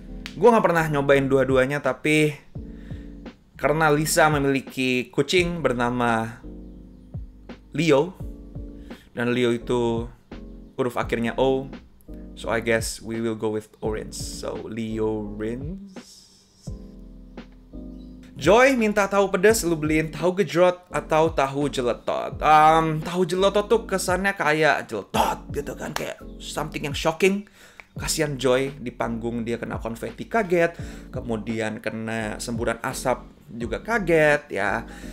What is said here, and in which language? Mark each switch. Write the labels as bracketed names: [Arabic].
[Indonesian] Gue gak pernah nyobain dua-duanya, tapi... Karena Lisa memiliki kucing bernama Leo. Dan Leo itu huruf akhirnya O. [English] So I guess we will go with Orange. So Leo Rins. [Indonesian] Joy minta tahu pedas, lu beliin tahu gejrot atau tahu jeletot. Tahu jeletot tuh kesannya kayak jeletot gitu kan, kayak something yang shocking. Kasian Joy di panggung dia kena konfeti kaget, kemudian kena semburan asap juga kaget ya.